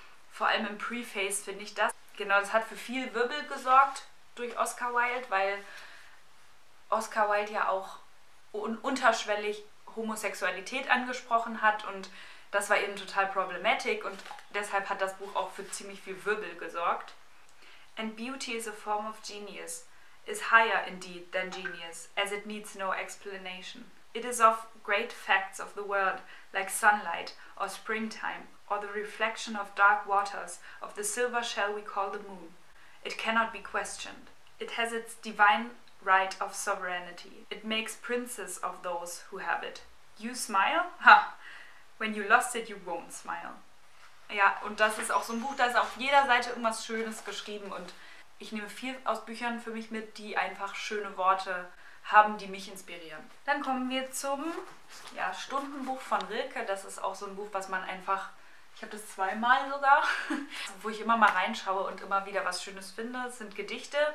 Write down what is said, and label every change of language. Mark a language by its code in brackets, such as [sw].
[de] Vor allem im Preface finde ich das. Genau, das hat für viel Wirbel gesorgt durch Oscar Wilde, weil Oscar Wilde ja auch unterschwellig Homosexualität angesprochen hat und das war eben total problematic und deshalb hat das Buch auch für ziemlich viel Wirbel gesorgt. [en] And beauty is a form of genius, is higher indeed than genius, as it needs no explanation. It is of great facts of the world, like sunlight or springtime or the reflection of dark waters of the silver shell we call the moon. It cannot be questioned. It has its divine right of sovereignty. It makes princes of those who have it. You smile? Ha! When you lost it, you won't smile. [de] Ja, und das ist auch so ein Buch, da ist auf jeder Seite irgendwas Schönes geschrieben und ich nehme viel aus Büchern für mich mit, die einfach schöne Worte haben, die mich inspirieren. Dann kommen wir zum Stundenbuch von Rilke. Das ist auch so ein Buch, was man einfach, ich habe das zweimal sogar, wo ich immer mal reinschaue und immer wieder was Schönes finde, sind Gedichte.